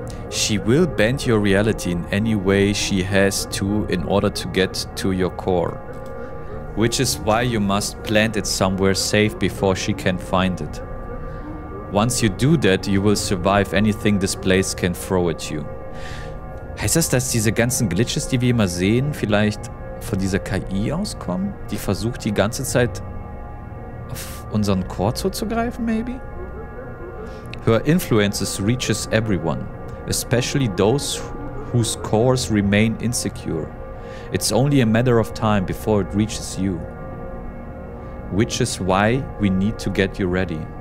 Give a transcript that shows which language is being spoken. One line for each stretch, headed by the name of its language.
English: She will bend your reality in any way she has to in order to get to your core. Which is why you must plant it somewhere safe before she can find it. Once you do that, you will survive anything this place can throw at you.
German: Heißt das, dass diese ganzen Glitches, die wir immer sehen, vielleicht von dieser KI auskommen? Die versucht die ganze Zeit auf unseren Core zuzugreifen, maybe?
English: Her influence reaches everyone, especially those whose cores remain insecure. It's only a matter of time before it reaches you. Which is why we need to get you ready.